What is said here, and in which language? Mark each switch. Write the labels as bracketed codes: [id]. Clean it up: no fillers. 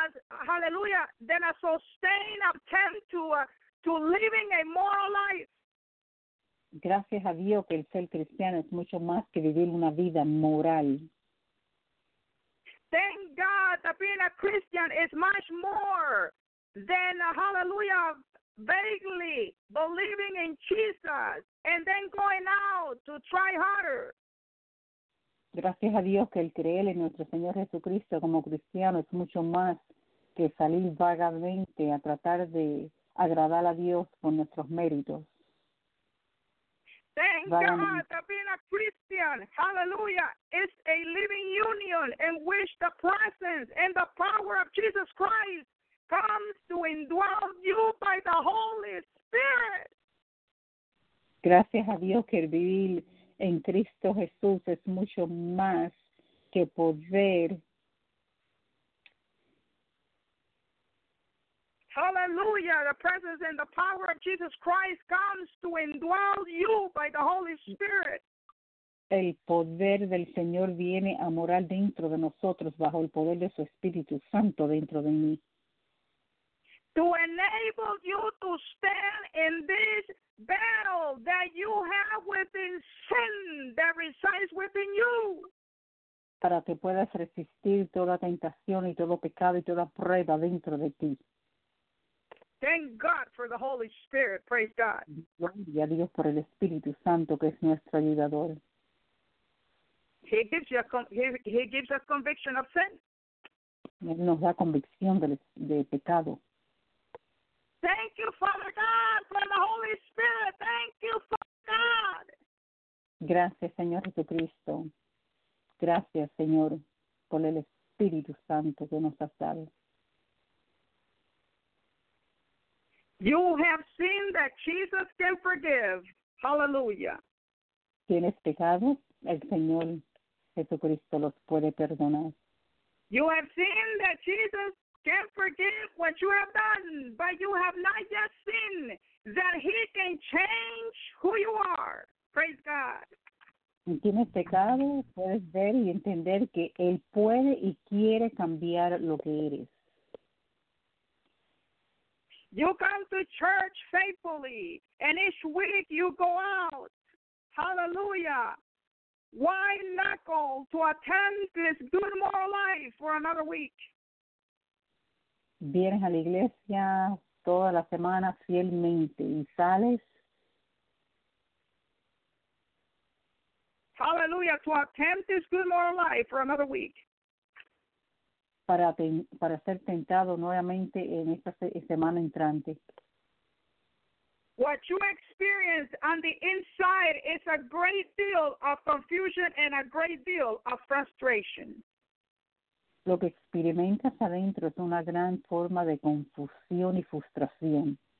[en] Hallelujah, then a sustain attempt to living a moral life. [es] Gracias a Dios que el ser cristiano es mucho más que vivir una vida moral. [en] Thank God that being a Christian is much more than, vaguely believing in Jesus and then going out to try harder. [es] Gracias a Dios que el creer en nuestro Señor Jesucristo como cristiano es mucho más que salir vagamente a tratar de agradar a Dios con nuestros méritos. [en] Thank vagamente. God that being a Christian, hallelujah, is a living union in which the presence and the power of Jesus Christ comes to indwell you by the Holy Spirit. [es] Gracias a Dios que el vivir en Cristo Jesús es mucho más que poder [en] Hallelujah. The presence and the power of Jesus Christ comes to indwell you by the Holy Spirit. [es] El poder del Señor viene a morar dentro de nosotros bajo el poder de su Espíritu Santo dentro de mí. [en] To enable you to stand in this battle that you have within sin that resides within you. [es] Para que puedas resistir toda tentación y todo pecado y toda prueba dentro de ti. [en] Thank God for the Holy Spirit. Praise God. [es] Gloria a Dios por el Espíritu Santo que es nuestro ayudador. [en] He gives us conviction of sin. [es] Él nos da convicción de pecado. [en] Thank you, Father God, for the Holy Spirit. Thank you, Father God. [es] Gracias, Señor Jesucristo. Gracias, Señor, por el Espíritu Santo que nos has dado. [en] You have seen that Jesus can forgive. Hallelujah. [es] Tienes pecado, el Señor Jesucristo los puede perdonar. [en] You have seen that Jesus can forgive what you have done, but you have not yet seen that he can change who you are. Praise God. [es] Tienes pecado, puedes ver y entender que él puede y quiere cambiar lo que eres. [en] You come to church faithfully, and each week you go out, hallelujah, white knuckle to attend this good moral life for another week. [es] Vienes a la iglesia toda la semana fielmente y sales. [en] Hallelujah, to attend this good moral life for another week. [es] Para ser tentado nuevamente en esta semana entrante. [en] What you experience on the inside is a great deal of confusion and a great deal of frustration. [es] Lo que experimentas adentro es una gran forma de confusión y frustración.